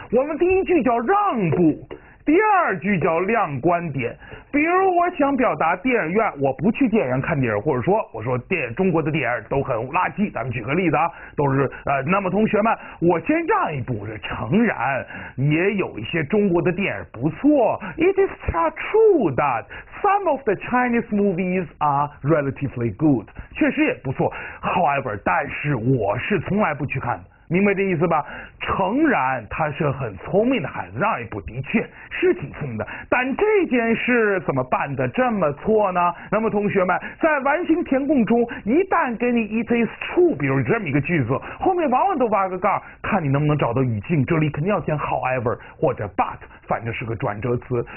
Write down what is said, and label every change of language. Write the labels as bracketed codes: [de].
[zh] 我们第一句叫让步，第二句叫亮观点。比如我想表达电影院，我不去电影院看电影，或者说我说电影中国的电影都很垃圾，咱们举个例子啊，都是那么同学们，我先让一步，是诚然也有一些中国的电影不错。 [en] It is true that some of the Chinese movies are relatively good， [zh] 确实也不错。 However， 但是我是从来不去看的，明白这意思吧？诚然他是很聪明的孩子，让一步的确是挺聪明的，但这件事怎么办得这么错呢？那么同学们，在完形填空中，一旦给你 it is true， 比如这么一个句子，后面往往都挖个杠，看你能不能找到语境，这里肯定要填 however 或者 but， 反正是个转折词。